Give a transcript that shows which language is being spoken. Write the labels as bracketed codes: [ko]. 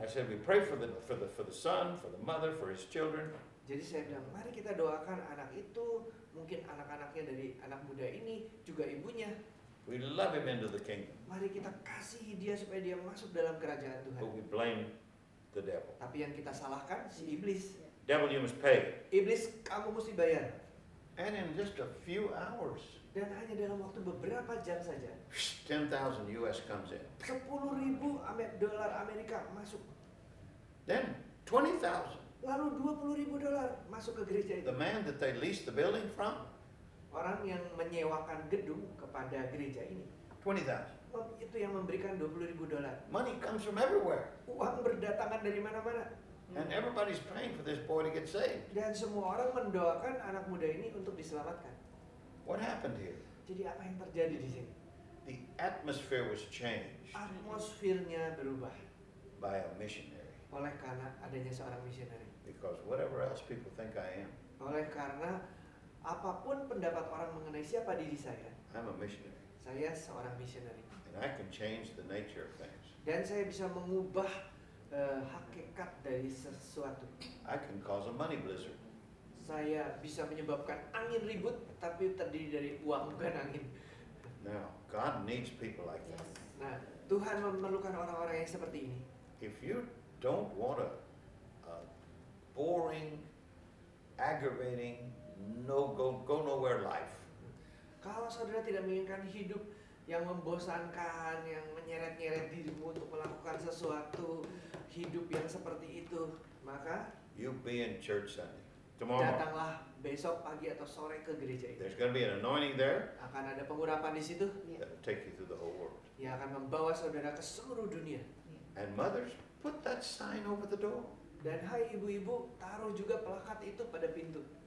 [en] I said we pray for the son, for the mother, for his children. [id] Jadi saya bilang mari kita doakan anak itu, mungkin anak-anaknya dari anak muda ini juga ibunya. [en] We love him into the kingdom. [id] Mari kita kasih dia supaya dia masuk dalam kerajaan Tuhan. [en] But we blame the devil. [id] Tapi yang kita salahkan si iblis. [en] Devil, you must pay. [id] Iblis, kamu mesti bayar. [en] And in just a few hours. [id] Dan hanya dalam waktu beberapa jam saja. [en] 10,000 US comes in. [id] 10,000 dolar Amerika masuk. [en] Then 20,000. [id] Lalu 20,000 dolar masuk ke gereja itu. [en] The man that they leased the building from. [id] Orang yang menyewakan gedung kepada gereja ini. [en] 20,000. [id] Itu yang memberikan 20,000 dolar. [en] Money comes from everywhere. [id] Uang berdatangan dari mana-mana. [en] And everybody's praying for this boy to get saved. [id] Dan semua orang mendoakan anak muda ini untuk diselamatkan. [en] What happened here? [id] Jadi apa yang terjadi di sini? [en] The atmosphere was changed. [id] Atmosfernya berubah. [en] By a missionary. [id] Oleh karena adanya seorang missionary. [en] Because whatever else people think I am. [id] Oleh karena apapun pendapat orang mengenai siapa diri saya. [en] I'm a missionary. [id] Saya seorang missionary. [en] And I can change the nature of things. [id] Dan saya bisa mengubah hakikat dari sesuatu. [en] I can cause a money blizzard. [id] Saya bisa menyebabkan angin ribut, tapi terdiri dari uang, bukan angin. [en] Now, God needs people like that. [id] Nah, Tuhan memerlukan orang-orang yang seperti ini. [en] If you don't want a boring, aggravating, go nowhere life. [id] Kalau saudara tidak menginginkan hidup yang membosankan, yang menyeret-nyeret dirimu untuk melakukan sesuatu, hidup yang seperti itu, maka [en] you be in church Sunday. [id] Datanglah besok pagi atau sore ke gereja ini. [en] There's going to be an anointing there. [id] Akan ada pengurapan di situ. [en] That'll take you through the whole world. [id] Ya, akan membawa saudara ke seluruh dunia. [en] And mothers, put that sign over the door. [id] Dan hai ibu-ibu, taruh juga plakat itu pada pintu.